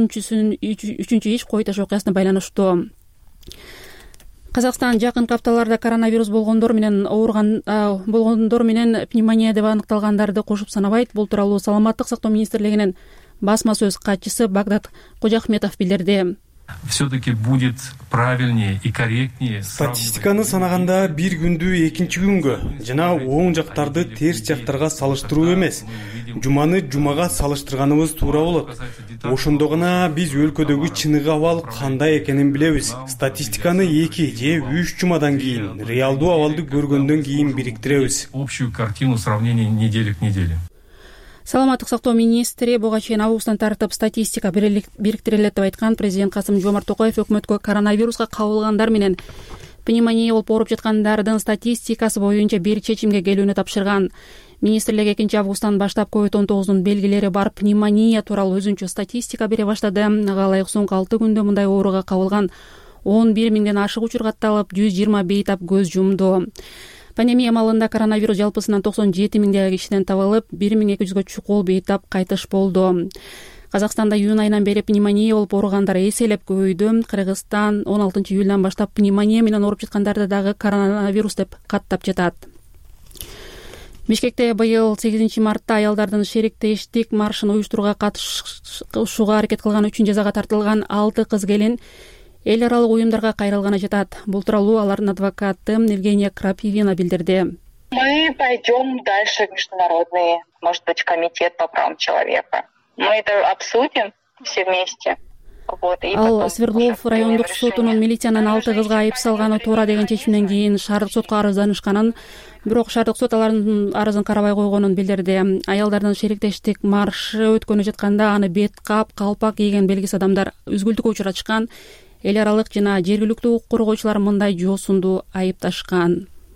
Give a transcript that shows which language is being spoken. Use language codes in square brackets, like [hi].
[ky] Үчүнчү иш кой таш окуясына байланыштуу. Казакстан жакынкы апталарда коронавирус болгондор менен пневмония деп аныкталгандарды кошуп санабайт. Бул тууралуу Саламаттык сактоо министрлигинин басма сөз катчысы Багдат Кожахметов билдирди. [ru] Все-таки будет правильнее и корректнее. [ky] Статистиканы санаганда бир күндү экинчи күнгө жана оң жактарды терс жактарга салыштыруу эмес. Жуманы жумага салыштырганыбыз туура болот. Ошондо гана биз өлкөдөгү чыныгы абал кандай экенин билебиз. Статистиканы 2 же 3 жумадан кийин реалдуу абалды көргөндөн кийин бириктиребиз. [ru] Общую картину сравнения недели к неделе. [ky] Саламаттык сактоо министри буга чейин августтан тартып статистика бириктирилет деп айткан. Президент Касым Жомарт Токоев өкмөткө коронавируска кабылгандар менен пневмония болуп ооруп жаткандардын статистикасы боюнча бир чечимге келүүнү тапшырган. Министрлик 2-августтан баштап COVID-19 белгилери бар пневмония тууралуу өзүнчө статистика бере баштады. Ага ылайык соңку 6 күндө мындай ооруга кабылган 11 миңден ашык учур катталып 120 бейтап көз жумду. Пандемия маалында коронавирус жалпысынан 97 миңдей кишиден табылып, 1200 чукул бейтап кайтыш болду. Казакстанда июнь айынан бери пневмония болуп ооругандар эселеп көбөйдү. Кыргызстан 16 июлдан баштап пневмония менен ооруп жаткандарды дагы коронавирус деп каттап жатат. Бишкекте быйыл 8 мартта аялдардын шеректештик маршын уюштурууга катышууга аракет кылганы үчүн жазага тартылган 6 кыз келин эл аралык уюмдарга кайрылганы жатат. Бул тууралуу алардын адвокаты Евгения Крапивина билдирди. [ru] Мы пойдем дальше в международный, может быть, комитет по правам человека. Мы это обсудим все вместе. [ky] Ал Свердлов райондук сотунун милициянын 6 кызга айып салганы туура деген чечимден кийин шаардык сотко арызданышканын, бирок шаардык сот алардын арызын карабай койгонун билдирди. Аялдардын шеректештик маршы өткөнү жатканда аны бет кап, калпак кийген белгисиз адамдар үзгүлтүккө учурачкан, эл аралык жана жергиликтүү укук коргоочулар мындай жоосунду айыпташкан.